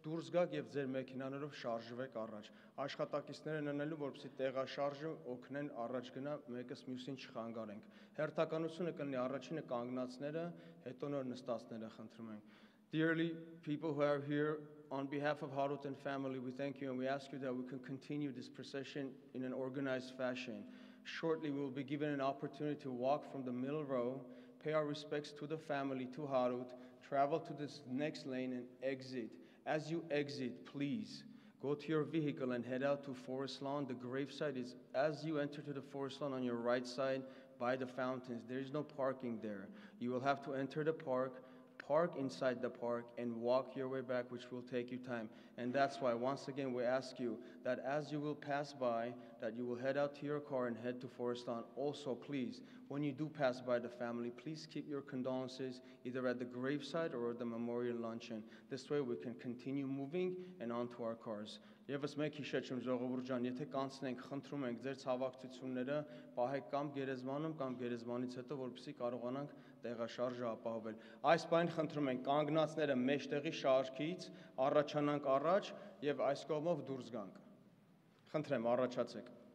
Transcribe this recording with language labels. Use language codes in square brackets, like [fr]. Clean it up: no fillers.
[hy] դուրս գաք եւ ձեր մեքենաներով շարժվեք առաջ։ Աշխատակիցները նննելու, որպեսզի տեղաշարժը օգնեն առաջ գնա, մեկս մյուսին չխանգարենք։ Հերթականությունը կլինի առաջինը կանգնածները, հետո նոր նստածները, խնդրում ենք։ [en] Dearly people who are here, on behalf of Harutyun family, we thank you and we ask you that we can continue this procession in an organized fashion. Shortly, we will be given an opportunity to walk from the middle row, pay our respects to the family, to Harut, travel to this next lane and exit. As you exit, please go to your vehicle and head out to Forest Lawn. The gravesite is as you enter to the Forest Lawn on your right side by the fountains. There is no parking there. You will have to enter the park, park inside the park, and walk your way back, which will take you time. And that's why, once again, we ask you that as you will pass by, that you will head out to your car and head to Forest Lawn. Also, please, when you do pass by the family, please keep your condolences either at the gravesite or at the memorial luncheon. This way, we can continue moving and on to our cars. [hy] Եվս մեկ հիշեցնեմ, ժողովուրդ ջան, եթե կանցնենք, խնդրում ենք ձեր ցավակցությունները, պահեք կամ գերեզմանում, կամ գերեզմանից հետո, որպեսզի կարողանանք տեղաշարժը ապահովել։ Այս պայն խնդրում ենք կանգնածները մեջտեղի շարքից առաջանանք առաջ եւ այս կողմով դուրս գանք։ Խնդրեմ, առաջացեք։